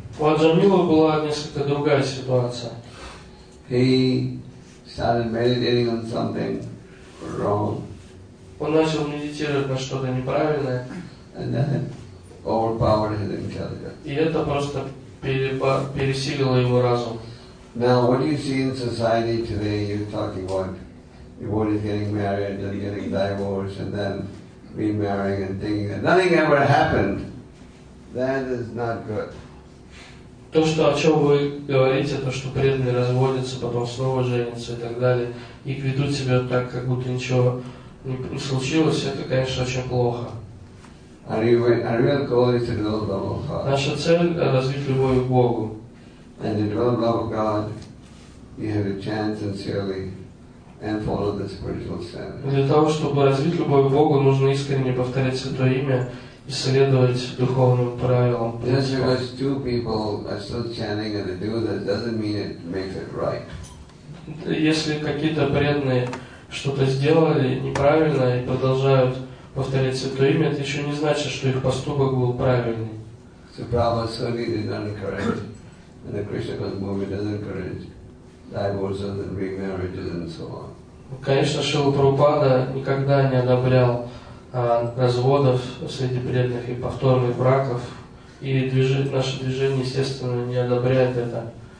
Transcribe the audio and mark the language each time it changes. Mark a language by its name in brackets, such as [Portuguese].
[Russian] У Аджан Мина была несколько другая ситуация. [English] He started meditating on something wrong. [Russian] Он начал медитировать на что-то неправильное. [English] And then overpowered his intelligence. [Russian] И это просто пересилило его разум. [English] Now, what do you see in society today? You're talking about devotees getting married, then getting divorced, and then remarrying and thinking that nothing ever happened. That is not good. [Russian] То, что о чем вы говорите, то, что преданные разводятся, потом снова женятся и так далее, и ведут себя так, как будто ничего не случилось, это, конечно, очень плохо. Наша цель – развить любовь к Богу. [English] And to develop love of God, you have a chance sincerely and follow the spiritual standards. [Russian] Для того, чтобы развить любовь к Богу, нужно искренне повторять Святое Имя и следовать духовным правилам. [English] Just because two people are still chanting and they do that doesn't mean it makes it right. [Russian] Если какие-то преданные что-то сделали неправильно и продолжают повторять Святое Имя, это еще не значит, что их поступок был правильный. [English] So Prabhupada certainly did not encourage and the Krishna consciousness movement doesn't encourage divorces and remarriages and so on. [Russian] Конечно, Шрила Прабхупада никогда не одобрял разводов среди преданных и повторных браков, и наше движение, естественно, не одобряет это.